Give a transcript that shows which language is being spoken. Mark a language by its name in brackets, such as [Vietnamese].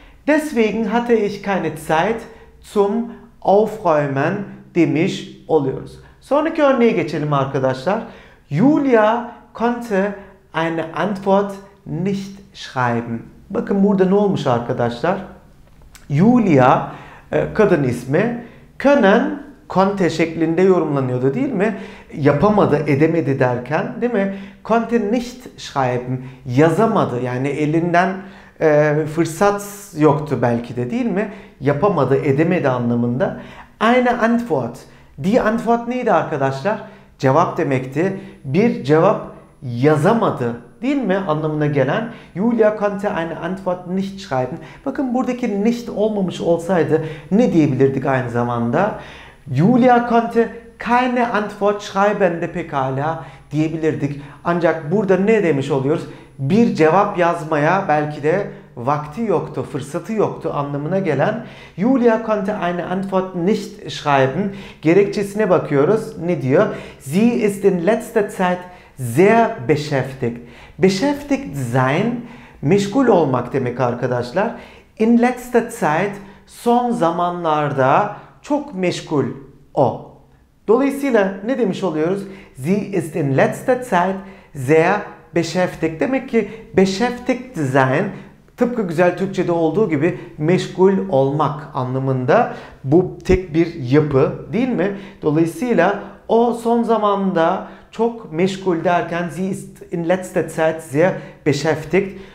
[German] Deswegen hatte ich keine Zeit zum Aufräumen [Turkish] demiş oluyoruz. Sonraki örneğe geçelim arkadaşlar. [German] Julia konnte eine Antwort nicht schreiben. [Turkish] Bakın burada ne olmuş arkadaşlar? Julia, kadın ismi, können, Conte şeklinde yorumlanıyordu değil mi? Yapamadı, edemedi derken değil mi? [German] Conte nicht schreiben, [Turkish] yazamadı. Yani elinden fırsat yoktu belki de değil mi? Yapamadı, edemedi anlamında. Eine Antwort. Die Antwort neydi arkadaşlar? Cevap demekti. Bir cevap yazamadı değil mi anlamına gelen. [German] Julia konnte eine Antwort nicht schreiben. [Turkish] Bakın buradaki nicht olmamış olsaydı ne diyebilirdik aynı zamanda? [German] Julia konnte keine Antwort schreiben [Turkish] de pekala diyebilirdik. Ancak burada ne demiş oluyoruz? Bir cevap yazmaya belki de vakti yoktu, fırsatı yoktu anlamına gelen. [German] Julia konnte eine Antwort nicht schreiben. [Turkish] Gerekçesine bakıyoruz. Ne diyor? [German] Sie ist in letzter Zeit sehr beschäftigt. [Turkish] Beschäftigt sein, meşgul olmak demek arkadaşlar. In letzter Zeit, son zamanlarda çok meşgul o. Dolayısıyla ne demiş oluyoruz? [German] Sie ist in letzter Zeit sehr beschäftigt. [Turkish] Demek ki beschäftigt sein, tıpkı güzel Türkçe'de olduğu gibi meşgul olmak anlamında bu tek bir yapı değil mi? Dolayısıyla o son zamanda çok meşgul derken [German] sie ist in letzter Zeit sehr beschäftigt.